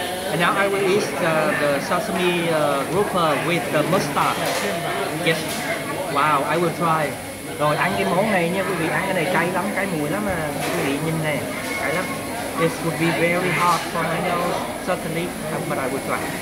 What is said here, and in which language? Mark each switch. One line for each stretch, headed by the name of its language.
English: And now I will eat the sesame grouper with the mustard. Yes. Wow, I will try.
Vietnamese: Rồi ăn cái món này nha quý vị, ăn cái này cay lắm, cái mùi lắm mà quý vị nhìn nè, cay lắm.
English: This would be very hot for my nose, certainly, but I would try.